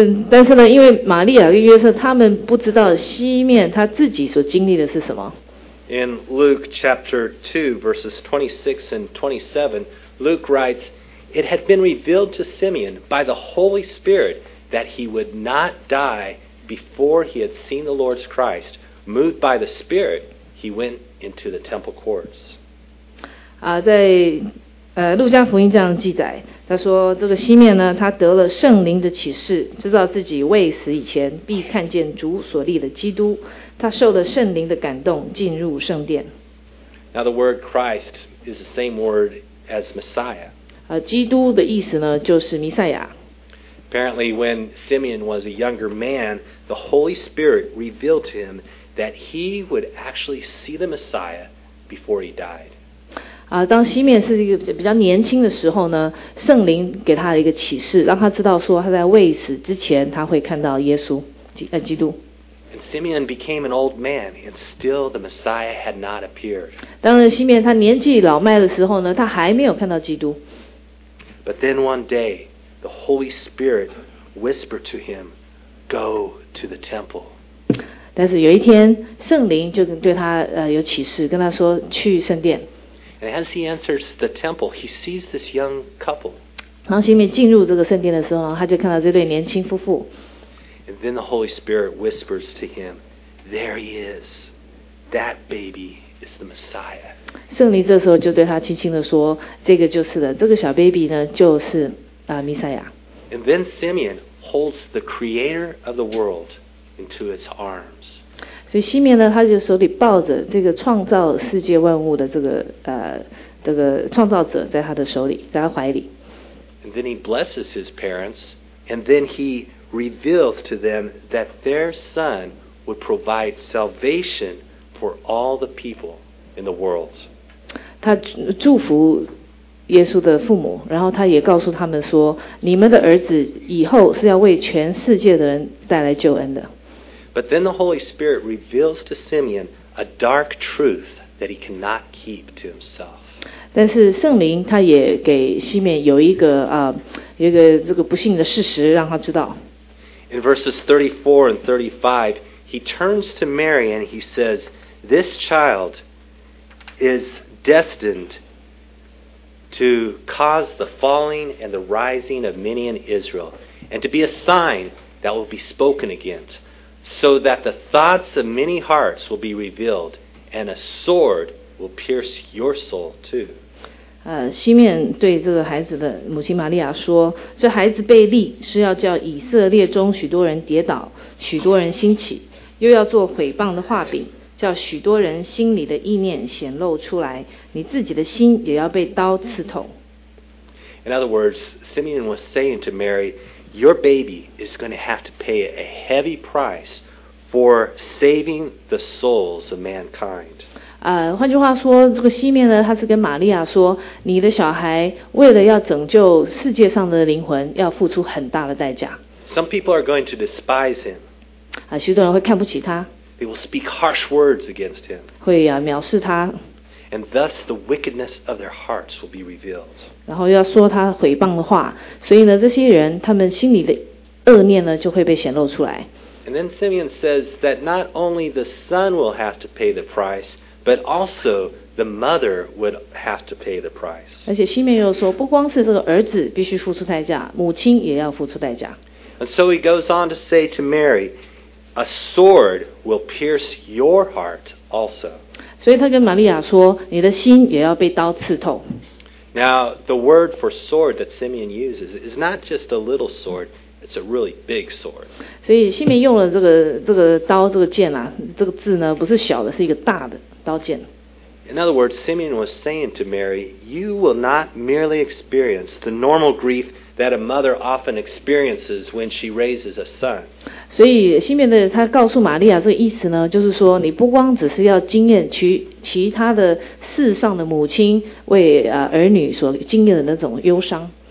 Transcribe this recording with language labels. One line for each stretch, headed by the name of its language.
Chinese: 但是呢，因为玛利亚跟约瑟他们不知道西面他自己所经历的是什么。
English: In Luke chapter 2, verses 26 and 27, Luke writes, "It had been revealed to Simeon by the Holy Spirit that he would not die before he had seen the Lord's Christ. Moved by the Spirit, he went into the temple courts."
Chinese: 在路加福音这样记载，他说这个西面呢，他得了圣灵的启示，知道自己未死以前必看见主所立的基督。他受了圣灵的感动，进入圣殿。
English: Now the word Christ is the same word as Messiah.
Chinese: 基督的意思呢，就是弥赛亚。
English: Apparently, when Simeon was a younger man, the Holy Spirit revealed to him that he would actually see the Messiah before he died.
Chinese: 当西面是一个比较年轻的时候呢，圣灵给他一个启示，让他知道说他在未死之前他会看到耶稣，基督。
English: And Simeon became an old man, and still the Messiah had not appeared.
Chinese: 当西面他年纪老迈的时候呢，他还没有看到基督。
English: But then one day, the Holy Spirit whispered to him, "Go to the temple."
Chinese: 但是有一天，圣灵就对他有启示，跟他说去圣殿。
English: And as he enters the temple, he sees this young couple.
Chinese: 然后西面进入这个圣殿的时候，他就看到这对年轻夫妇。
English: And then the Holy Spirit whispers to him, "There he is. That baby is the Messiah."
Chinese: 圣灵这时候就对他轻轻的说，这个就是的，这个小 baby 呢就是。
English: And then Simeon holds the creator of the world into his arms.
Chinese: 所以西面呢，他就手里抱着这个创造世界万物的这个创造者在他的手里，在他怀里。
English: And then he blesses his parents, and then he reveals to them that their son would provide salvation for all the people in the world.
Chinese: 他祝福耶稣的父母，然后他也告诉他们说，你们的儿子以后是要为全世界的人带来救恩的。
English: But then the Holy Spirit reveals to Simeon a dark truth that he cannot keep to himself.
Chinese: 但是圣灵他也给西面有一个有一个这个不幸的事实让他知道。
English: In verses 34 and 35, he turns to Mary and he says, "This child is destined to cause the falling and the rising of many in Israel, and to be a sign that will be spoken against, so that the thoughts of many hearts will be revealed, and a sword will pierce your soul too."
Chinese: 西面对这个孩子的母亲玛利亚说，这孩子被立是要叫以色列中许多人跌倒，许多人兴起，又要做毁谤的画饼，叫许多人心里的意念显露出来，你自己的心也要被刀刺透。
English: In other words, Simeon was saying to Mary, your baby is going to have to pay a heavy price for saving the souls of mankind.
Chinese: 换句话说，这个西面呢，他是跟玛利亚说，你的小孩为了要拯救世界上的灵魂，要付出很大的代价。
English: Some people are going to despise him.
Chinese: 许多人会看不起他。
English: They will speak harsh words against him.
Chinese: 会藐视他。
English: And thus the wickedness of their hearts will be revealed.
Chinese: 然后要说他毁谤的话，所以呢，这些人他们心里的恶念呢，就会被显露出来。
English: And then Simeon says that not only the son will have to pay the price, but also the mother would have to pay the price.
Chinese: 而且西面又说，不光是这个儿子必须付出代价，母亲也要付出代价。
English: And so he goes on to say to Mary, a sword will pierce your heart also.
Chinese: 所以他跟玛利亚说，你的心也要被刀刺透。
English: Now, the word for sword that Simeon uses is not just a little sword. It's a really big sword.
Chinese: 所以西面用了这个刀这个剑啊，这个字呢不是小的，是一个大的刀剑。
English: In other words, Simeon was saying to Mary, "You will not merely experience the normal grief that a mother often experiences when she raises a son."
Chinese: 所以西面的他告诉玛利亚这个意思呢，就是说你不光只是要经验其他的世上的母亲为儿女所经验的那种忧伤。